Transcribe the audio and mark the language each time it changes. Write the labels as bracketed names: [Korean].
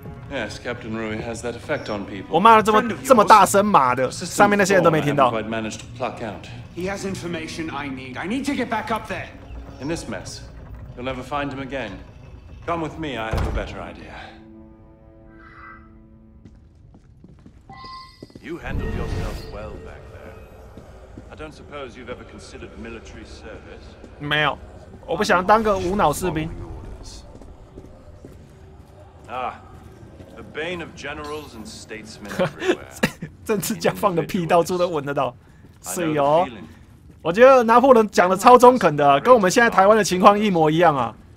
[English] Yes, Captain Rui has that effect on people. [Chinese] 我骂了这么大声，妈的，上面那些人都没听到。 [English] Quite managed to pluck out. He has information I need. I need to get back up there. In this mess, you'll never find him again. Come with me. I have a better idea. You handled yourself well back there. I don't suppose you've ever considered military service. [Chinese] 没有，我不想当个无脑士兵。 [English] Ah, the bane of generals and statesmen. [Chinese] 政治家放的屁到处都闻得到，是哦。我觉得拿破仑讲的超中肯的，跟我们现在台湾的情况一模一样啊。